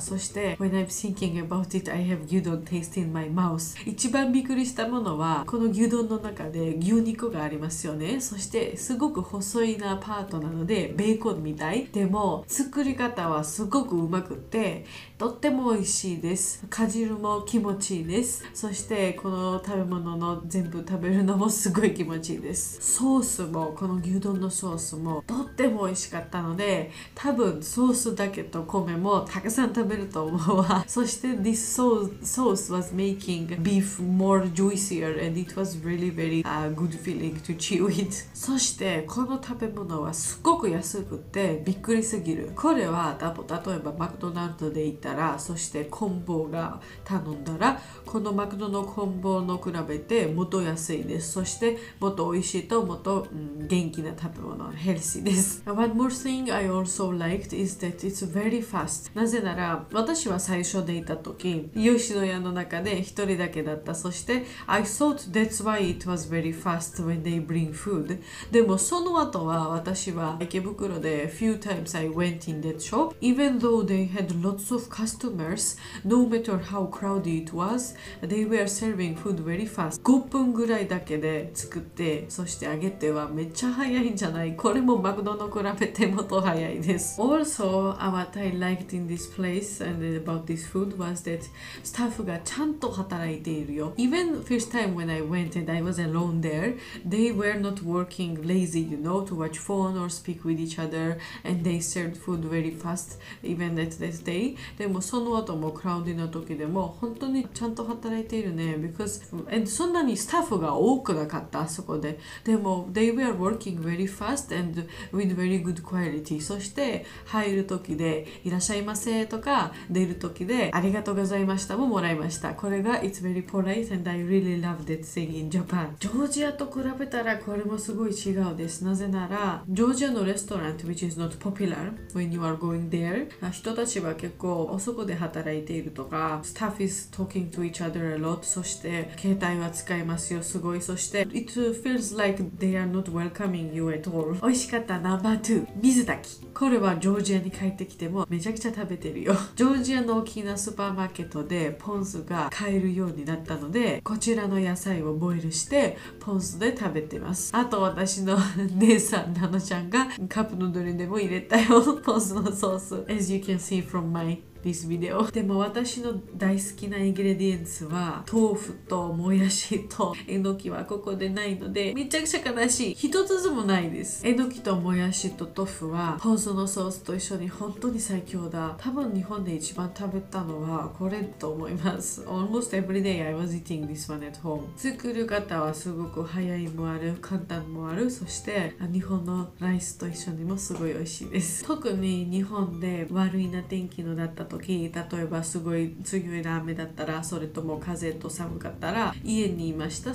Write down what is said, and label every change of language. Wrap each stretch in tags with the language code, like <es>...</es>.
<en>そして When I'm thinking about it, I have 牛丼 taste in my mouth。</en> <ja>一番びっくりしたものはこの牛丼の中で牛肉がありますよね。そしてすごく細いなパートなのでベーコンみたい。でも作り方はすごくうまくてとっても美味しいです。かじるも気持ちいいです。そしてこの食べ物の全部食べるのもすごい気持ちいいです。ソースもこの牛丼のソースもとっても美味しかったので、多分ソースだけと米もたくさん食べると思うわ。</ja> <en>そして This sauce was making beef more juicier and it was really very good feeling to chew it。</en> <ja>そしてこの食べ物はすごく安くてびっくりすぎる。これは例えばマクドナルドで行ったら、そしてコンボが頼んだら、このマクドのコンボの比べてもっと安いです。そしてもっと美味しいと、もっと、元気な食べ物、ヘルシーです。</ja> <en>One more thing I also liked is that it's very fast。</en> <ja>なぜなら私は最初でいた時吉野家の中で一人だけだった。</ja> <en>そして I thought that's why it was very fast when they bring food。</en> <ja>でもその後は私は池袋で</ja> <en>few times I went in that shop。 Even though they had lots of customers, no matter how crowded it was, they were serving food very fast。</en> <ja>5分ぐらいだけで作ってそして揚げてはめっちゃ早いんじゃない。これもマクドの比べてもっと早いです。</ja> <en>Also, what I liked in this place and about this food was that</en> <ja>スタッフがちゃんと働いているよ。</ja> <en>Even first time when I went and I was alone there, they were not working lazy, you know, to watch phone or speak with each other, and they served food very fast even at that day。</en> <ja>でもその後もクラウディの時でも本当にちゃんと働いているね。 Because, and そんなにスタッフが多くなかったあそこで。</ja> <en>でも they were working very fast and with very good quality。</en> <ja>そして入る時でいらっしゃいませとか出る時でありがとうございましたももらいました。</ja> <en>これが It's very polite and I really love that thing in Japan。</en> <ja>ジョージアと比べたらこれもすごい違うです。なぜならジョージアのレストラン</ja> <en>which is not popular when you are going there、</en> <ja>人たちは結構遅くで働いているとか</ja> <en>staff is talking to each other a lot。</en> <ja>そして携帯は使いますよすごい。そして</ja> <en>It feels like they are not welcoming you at all。</en> <ja>美味しかった No.2 水炊き。これはジョージアに帰ってきてもめちゃくちゃ食べてるよ。ジョージアの大きなスーパーマーケットでポン酢が買えるようになったので、こちらの野菜をボイルしてポン酢で食べてます。あと私の姉さんナノちゃんがカップヌードルでも入れたよポン酢のソース。</ja> <en>As you can see from myThis video。</en> <ja>でも私の大好きなイングレディエンツは豆腐ともやしとえのきはここでないのでめちゃくちゃ悲しい。一つずもないです。えのきともやしと豆腐はポン酢のソースと一緒に本当に最強だ。多分日本で一番食べたのはこれと思います。</ja> <en>Almost every day I was eating this one at home。</en> <ja>作る方はすごく早いもある、簡単もある。そして日本のライスと一緒にもすごい美味しいです。特に日本で悪いな天気のだった時、例えばすごい強いな雨だったら、それとも風と寒かったら家にいました。</ja>